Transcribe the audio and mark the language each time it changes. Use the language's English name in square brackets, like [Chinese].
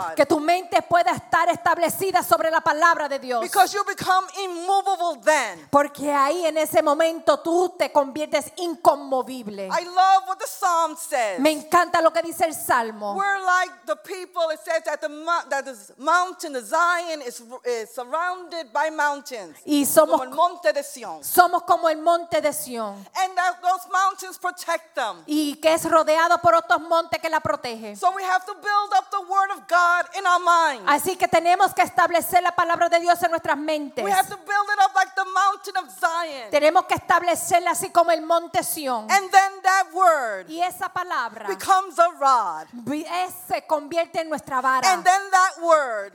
[Spanish] Que tu mente pueda estar establecida sobre la palabra de Dios. [English] Because you become immovable then. [Spanish] Porque ahí en ese momento tú te conviertes inconmovible. [English] I love what the psalm says. [Spanish] Me encanta lo que dice el salmo. [English] We're like the people. It says that the mountain, the Zion, is surrounded by mountains. [Spanish] Y somos como el monte de Sion. Somos como el monte de Sion. [English] And that those mountains protect them. [Spanish] Y que es rodeado por otros montes que la protege. [English] So we have to build up the word of God in our minds. [Spanish] Así que tenemos que establecer la palabra de Dios en nuestras mentes. [English] We have to build it up like the mountain of Zion. [Spanish] Tenemos que establecerla así como el monte Sion. [English] And then that word. [Spanish] Y esa palabra [English] becomes a rod. [Spanish] Se convierte en nuestra vara. [English] And then that word.